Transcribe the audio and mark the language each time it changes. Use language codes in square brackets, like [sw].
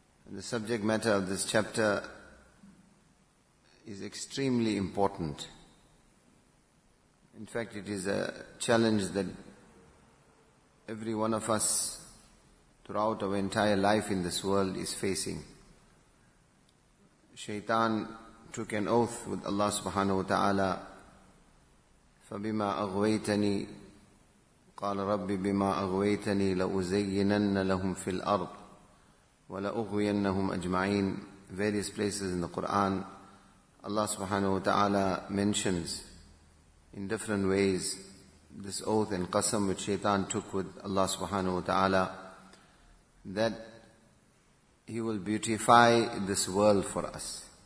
[en] The subject matter of this chapter is extremely important. In fact, it is a challenge that every one of us throughout our entire life in this world is facing. Shaitan took an oath with Allah subhanahu wa ta'ala, [ar] فَبِمَا أَغْوَيْتَنِي قال ربي بما أغويتني لأزينن لهم في الأرض ولأغوينهم أجمعين. [en] Various places in the Quran, Allah subhanahu wa ta'ala mentions in different ways this oath and qasam which Shaitan took with Allah subhanahu wa ta'ala, that he will beautify this world for us.